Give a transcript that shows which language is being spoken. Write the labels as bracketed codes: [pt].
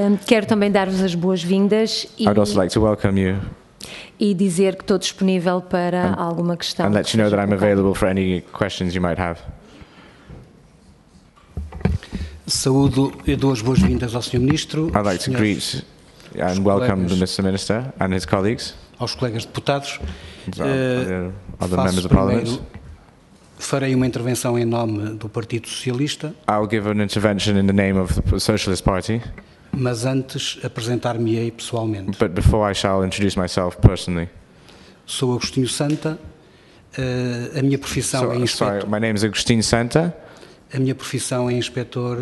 [pt] Quero também dar-vos as boas-vindas e [en] I'd also like to welcome you. [pt] E dizer que estou disponível para alguma questão. [en] And let you know that I'm available for any questions you might have. [pt] Saúdo e dou as boas-vindas ao Sr. Ministro. [en] I'd like to greet and welcome the Mr. Minister and his colleagues. [pt] Aos colegas deputados. [en] Other members of parliament. [pt] Farei uma intervenção em nome do Partido Socialista. [en] I'll give an intervention in the name of the Socialist Party. [pt] Mas antes, apresentar-me-ei pessoalmente. [en] But before I shall introduce myself personally. [pt] Sou Agostinho Santa. A minha profissão é inspetor. [en] Sorry, my name is Agostinho Santa. [pt] A minha profissão é inspetor